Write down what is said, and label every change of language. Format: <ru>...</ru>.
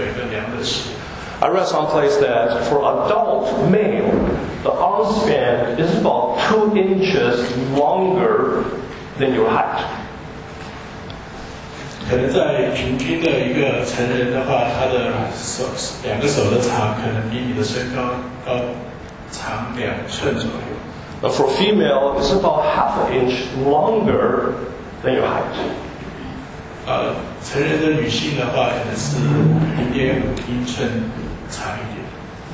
<en>I read someplace that for adult male, the arm span is about 2 inches longer than your height.</en> <zh>可能在平均的一个成人的话，他的手两个手的长可能比你的身高高长两寸左右。</zh> <en>But for female, it's about half an inch longer than your height.</en> <zh>成人的女性的话，可能是0.5英寸长一点。</zh>